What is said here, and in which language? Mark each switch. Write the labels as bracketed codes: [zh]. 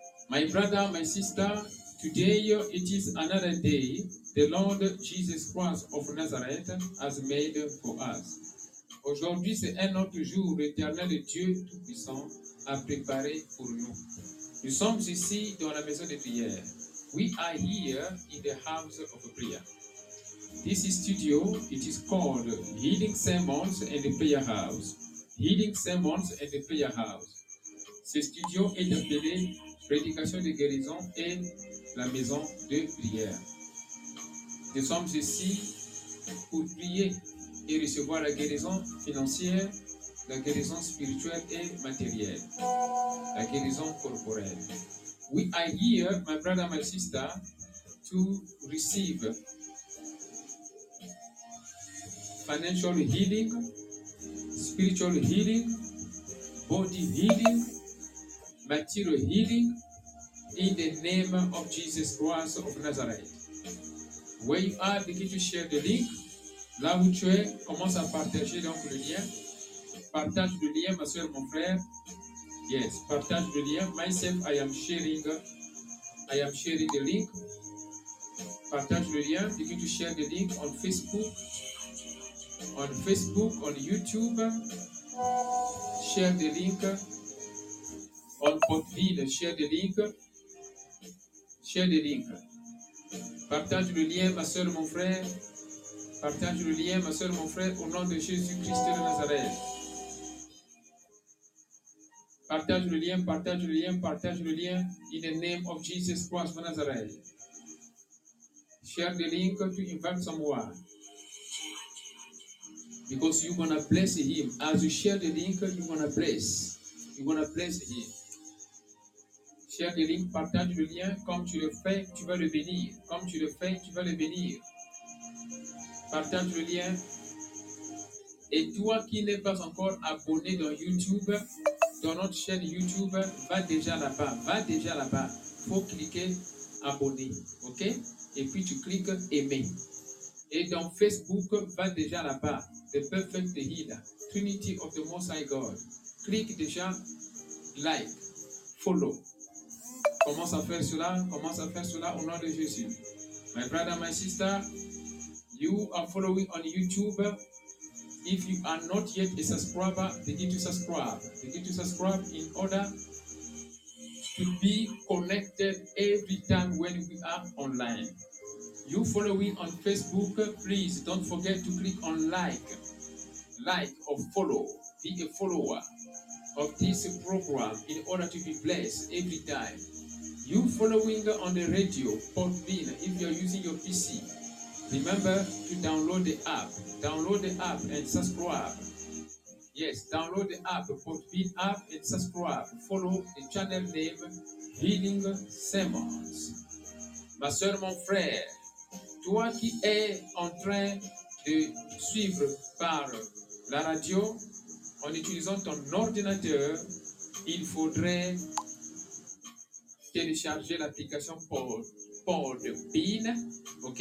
[en] My brother, my sister, today it is another day the Lord Jesus Christ of Nazareth has made for us. [fr] Aujourd'hui, c'est un autre jour, l'éternel Dieu Tout-Puissant a préparé pour nous. Nous sommes ici dans la maison de prière. [en] We are here in the house of prayer. This studio, it is called Healing Sermons and the Prayer House. Healing Sermons and the Prayer House. [fr] Ce studio est appelé Prédication de guérison et la maison de prière. Nous sommes ici pour prier et recevoir la guérison financière, la guérison spirituelle et matérielle, la guérison corporelle. [en] We are here, my brother, my sister, to receive financial healing, spiritual healing, body healing, material healing, in the name of Jesus Christ of Nazareth. Where you are, begin to share the link. [fr] Là où tu es, commence à partager donc le lien. Partage le lien, ma soeur, mon frère. Yes, partage le lien. [en] Myself, I am sharing the link. [fr] Partage le lien. [en] You can share the link on Facebook, on YouTube. Share the link. On Podbean, share the link. [fr] Partage le lien, ma soeur, mon frère. Partage le lien, ma soeur, mon frère, au nom de Jésus-Christ de Nazareth. Partage le lien, [en] in the name of Jesus Christ of Nazareth. Share the link to invite someone. Because you're gonna bless him. As you share the link, you're gonna bless him. Share the link, [fr] partage le lien. Comme tu le fais, tu vas le bénir. Comme tu le fais, tu vas le bénir. Partage le lien. Et toi qui n'es pas encore abonné dans YouTube, dans notre chaîne YouTube, va déjà là-bas. Il faut cliquer abonner, ok? Et puis tu cliques aimer. Et dans Facebook, va déjà là-bas. [en] The Perfect Healer, Trinity of the Most High God. [fr] Clique déjà, like, follow. Commence à faire cela au nom de Jésus. [en] My brother, my sister, you are following on YouTube. If you are not yet a subscriber, begin to subscribe. Begin to subscribe in order to be connected every time when we are online. You following on Facebook, please don't forget to click on like. Like or follow. Be a follower of this program in order to be blessed every time. You following on the radio, Podbean, if you are using your PC, remember to download the app. Download the app and subscribe. Yes, download the app, Podbean app and subscribe. Follow the channel name, Healing Sermons. [fr] Ma soeur, mon frère, toi qui es en train de suivre par la radio, en utilisant ton ordinateur, il faudrait télécharger l'application Podbean, ok?